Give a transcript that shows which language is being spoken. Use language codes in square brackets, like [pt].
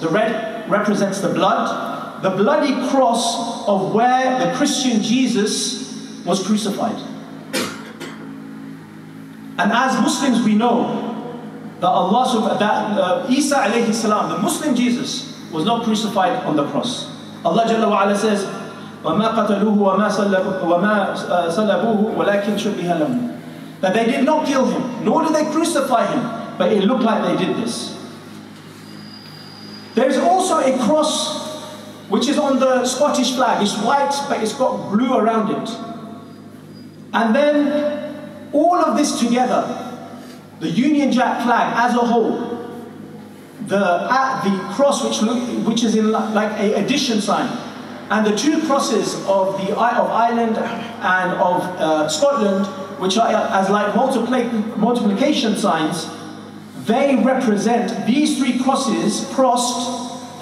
[en] The red represents the blood. The bloody cross of where the Christian Jesus was crucified. And as Muslims, we know that Isa alayhi salam, the Muslim Jesus, was not crucified on the cross. Allah Jalla wa Ala says, [ar] وَمَا قَتَلُوهُ وَمَا صَلَبُوهُ وَلَكِنْ شُبِّهَ لَهُ. [en] That they did not kill him, nor did they crucify him, but it looked like they did this. There's also a cross which is on the Scottish flag. It's white, but it's got blue around it. And then all of this together, the Union Jack flag as a whole, the cross which is in like an addition sign, and the two crosses of the of Ireland and of Scotland, which are as like multiplication signs, they represent these three crosses crossed